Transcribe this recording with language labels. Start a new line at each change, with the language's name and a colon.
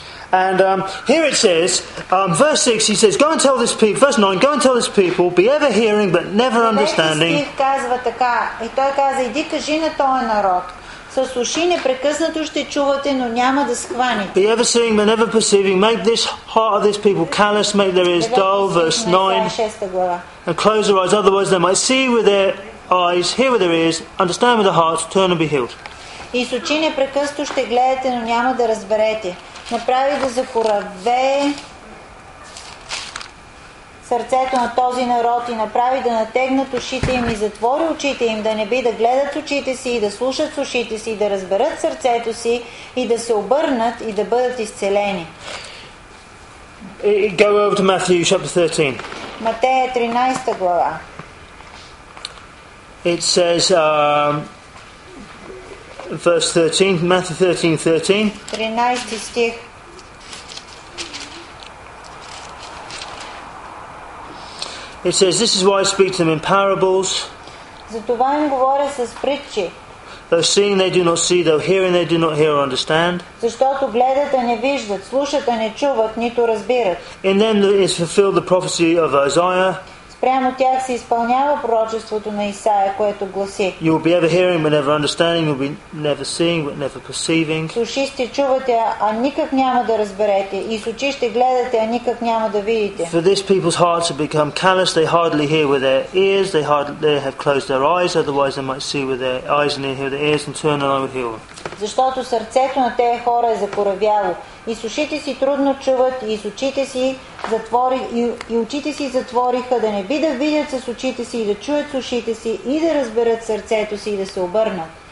English: And here it says, verse 6, he says, go and tell this people, verse 9, go and tell this people, be ever hearing but never understanding.
Bulgarian: Стих казва така, и той каза, иди кажи на този народ, със уши непрекъснато ще чувате, но няма да схваните.
English: Be ever seeing but never perceiving, make this heart of this people callous, make their ears dull, verse 9, and close their eyes, otherwise they might see with their eyes, hear with their ears, understand with their hearts, turn and be healed.
Bulgarian: И с очи непрекъснато ще гледате, но няма да разберете. Направи да закораве сърцето на този народ и направи да натегнат ушите им и затвори очите им, да не би да гледат очите си и да слушат с ушите си и да разберат сърцето си и да се обърнат и да бъдат изцелени.
English: Go over to Matthew chapter 13.
Bulgarian: Матея 13 глава.
English: It says verse 13, Matthew 13:13.
Bulgarian: 13 стих.
English: It says, this is why I speak to them in parables.
Bulgarian: Затова им говоря с притчи.
English: Though seeing they do not see, though hearing they do not hear or understand.
Bulgarian: Защото гледат, а не виждат, слушат, а не чуват, нито разбират.
English: In them is fulfilled the prophecy of Isaiah.
Bulgarian: Спрямо тях се изпълнява пророчеството на Исаия, което гласи.
English: You will be ever hearing but never understanding, you will be never seeing but never perceiving.
Bulgarian: С уши ще чувате, а никак няма да разберете. И с очи ще гледате, а никак няма да видите.
English: For this people's hearts have become callous, they hardly hear with their ears, they have closed their eyes, otherwise they might see with their eyes and hear with their ears and turn and I would heal them.
Bulgarian: Защото сърцето на тези хора е закоравяло. И с ушите си трудно чуват, и с очите си затвориха, да не би да видят с очите си, и да чуят с ушите си, и да разберат сърцето си, и да се обърнат.